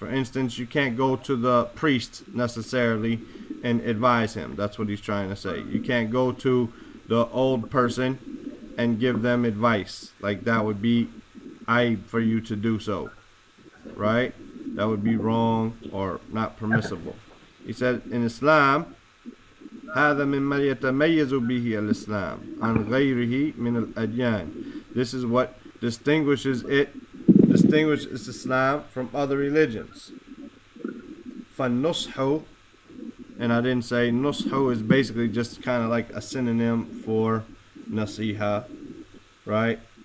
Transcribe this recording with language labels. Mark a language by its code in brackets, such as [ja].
[en] For instance, you can't go to the priest necessarily and advise him. That's what he's trying to say. You can't go to the old person and give them advice. Like, that would be aib for you to do so, right? That would be wrong or not permissible. He said, in Islam, [ar] هذا مما يتميز به الإسلام عن غيره من الأديان. [en] This is what distinguishes it, distinguishes Islam from other religions. فالنصح, and I didn't say نصح is basically just kind of like a synonym for نصيحة, right?